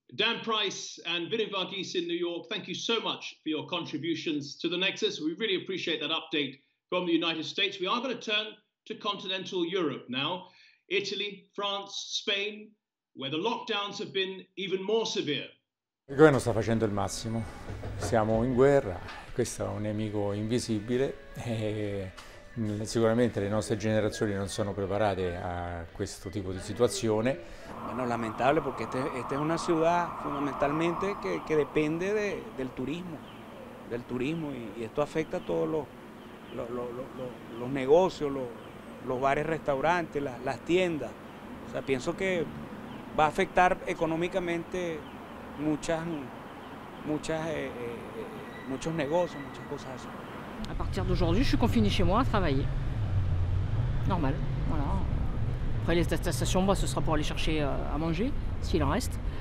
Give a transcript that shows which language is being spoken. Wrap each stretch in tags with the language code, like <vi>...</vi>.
<en>Dan Price and Vinoo Varghese in New York, thank you so much for your contributions to the Nexus. We really appreciate that update from the United States. We are going to turn to continental Europe now. Italy, France, Spain, where the lockdowns have been even more severe.</en> <it>Il governo sta facendo il massimo. Siamo in guerra, questo è un nemico invisibile e sicuramente le nostre generazioni non sono preparate a questo tipo di situazione.</it> <es>Bueno, lamentable porque esta es una ciudad fundamentalmente que depende del turismo y esto afecta a todos los negocios, los bares, restaurantes, las tiendas. O sea, pienso que va a afectar económicamente muchos negocios, muchas cosas.</es> <fr>À partir d'aujourd'hui, je suis confiné chez moi à travailler. Normal, voilà. Après les attestations, ce sera pour aller chercher à manger, s'il en reste.</fr>